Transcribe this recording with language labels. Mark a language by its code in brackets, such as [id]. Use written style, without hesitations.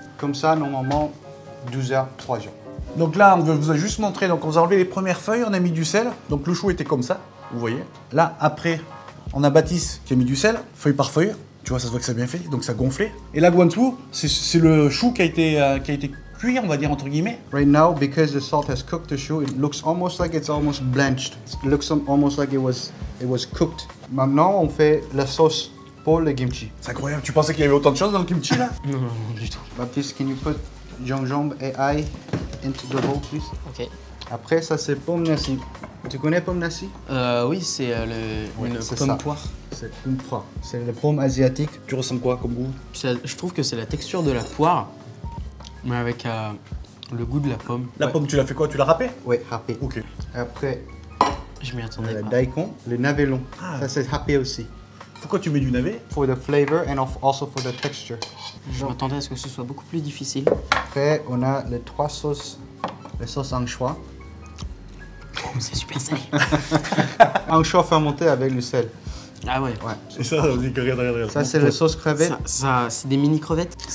[fr] Comme ça, normalement 12 heures, 3 heures. Donc là, on vous a juste montré. Donc on a enlevé les premières feuilles, on a mis du sel. Donc le chou était comme ça. Vous voyez, là après, on a Baptiste qui a mis du sel, feuille par feuille. Tu vois, ça se voit que ça a bien fait, donc ça a gonflé. Et là, Guansu, c'est le chou qui a été cuit, on va dire entre guillemets. [en] Right now, because the salt has cooked the chou, it looks almost like it's almost blanched. It looks almost like it was cooked. [fr] Maintenant, on fait la sauce pour le kimchi. C'est incroyable. Tu pensais qu'il y avait autant de choses dans le kimchi là? Non, du tout. [en] Baptiste, can you put [fr] gingembre et ail [en] into the bowl, please? [fr] Ok. Après, ça c'est pomme nasi. Tu connais pomme nasi? Oui, c'est une pomme poire. C'est une poire. C'est la pomme asiatique. Tu ressens quoi comme goût? Je trouve que c'est la texture de la poire, mais avec le goût de la pomme. La pomme, tu l'as fait quoi? Tu l'as râpée? Oui, râpée. Ok. Après, je m'y attendais pas. Le daikon, le navelon. Ah. Ça c'est râpé aussi. Pourquoi tu mets du navet? [en] For the flavor and also for the texture. [fr] Je m'attendais à ce que ce soit beaucoup plus difficile. Après, on a les trois sauces, les sauces anchois. C'est super sel. Un choix fermenté avec le sel. Ah ouais. Ouais. Et ça, on dit que regarde. Ça, c'est la sauce crevette. Ça, c'est des mini crevettes.